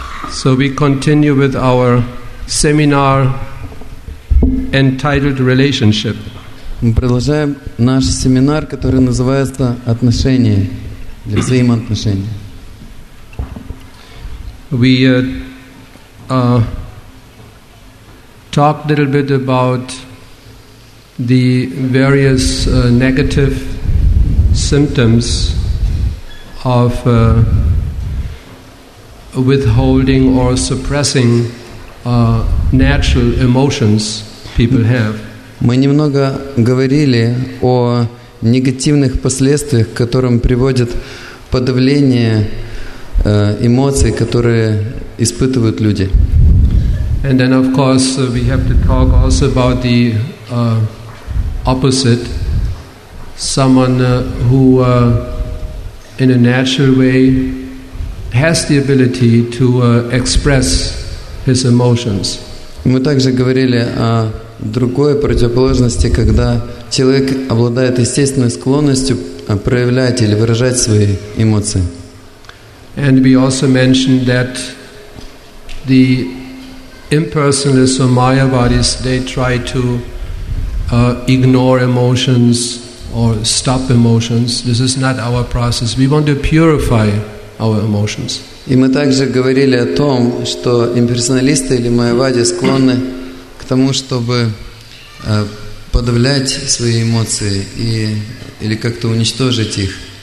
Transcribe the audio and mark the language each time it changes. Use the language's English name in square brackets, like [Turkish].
[English] So we continue with our seminar entitled Relationship. [Russian] Мы продолжаем наш семинар, который называется «Отношения для взаимоотношений». [English] We talked a little bit about the various negative symptoms of withholding or suppressing natural emotions people have. [Russian] Мы немного говорили о негативных последствиях, к которым приводит подавление эмоций, которые испытывают люди. [English] And then, of course, we have to talk also about the opposite. Someone who in a natural way has the ability to express his emotions. [Russian] Мы также говорили о другой противоположности, когда человек обладает естественной склонностью проявлять или выражать свои эмоции. [English] And we also mentioned that the impersonalists or Mayavadis, they try to ignore emotions or stop emotions. This is not our process. We want to purify our emotions. [Russian] И мы также говорили о том, что имперсоналисты или майявади склонны к тому, чтобы подавлять свои эмоции и или как-то уничтожить их.